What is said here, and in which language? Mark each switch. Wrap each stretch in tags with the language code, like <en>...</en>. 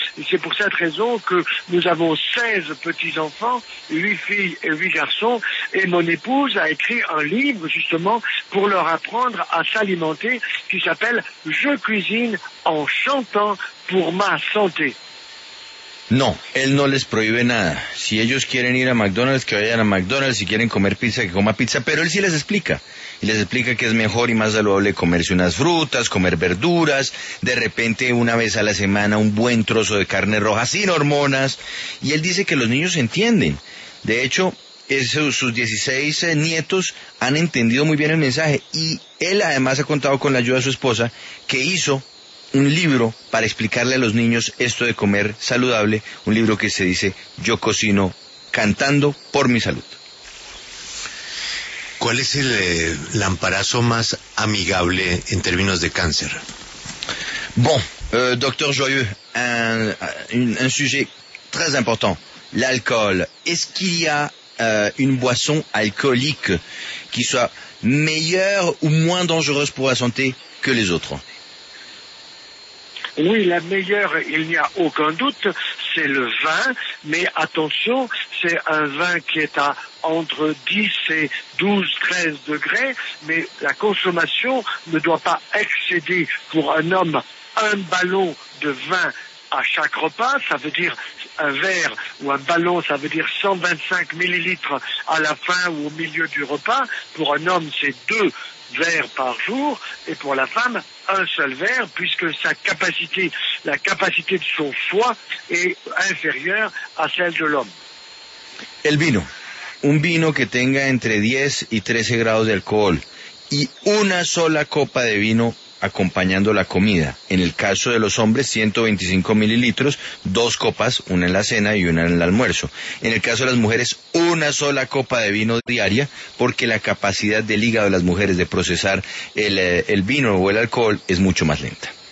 <fr>Et c'est pour cette raison que nous avons 16 petits-enfants, 8 filles et 8 garçons. Et mon épouse a écrit un livre, justement, pour leur apprendre à s'alimenter, qui s'appelle « Je cuisine en chantant pour ma santé ».</fr> <es>No, él no les prohíbe nada. Si ellos quieren ir a McDonald's, que vayan a McDonald's. Si quieren comer pizza, que coma pizza. Pero él sí les explica. Y les explica que es mejor y más saludable comerse unas frutas, comer verduras. De repente, una vez a la semana, un buen trozo de carne roja sin hormonas. Y él dice que los niños entienden. De hecho, sus 16 nietos han entendido muy bien el mensaje. Y él además ha contado con la ayuda de su esposa, que hizo un libro para explicarle a los niños esto de comer saludable, un libro que se dice Yo cocino cantando por mi salud. ¿Cuál es el lamparazo más amigable en términos de cáncer?</es> <fr>Bon, docteur Joyeux, un sujet très important, l'alcool.</fr> <es>¿Es que hay una</es> <fr>boisson alcoholique</fr> <es>que sea mejor o menos</es> <fr>dangereuse</fr> <es>para la</es> <fr>santé</fr> <es>que las otras?</es> <fr>Oui, la meilleure, il n'y a aucun doute, c'est le vin, mais attention, c'est un vin qui est à entre 10 et 12, 13 degrés, mais la consommation ne doit pas excéder pour un homme un ballon de vin à chaque repas, ça veut dire un verre ou un ballon, ça veut dire 125 millilitres à la fin ou au milieu du repas, pour un homme c'est 2 verres par jour, et pour la femme, un seul verre, puisque la capacité de son foie est inférieure à celle de l'homme.</fr> <es>El vino. Un vino que tenga entre 10 y 13 grados de alcohol y una sola copa de vino acompañando la comida. En el caso de los hombres, 125 mililitros, dos copas, una en la cena y una en el almuerzo. En el caso de las mujeres, una sola copa de vino diaria, porque la capacidad del hígado de las mujeres de procesar el vino o el alcohol es mucho más lenta.</es>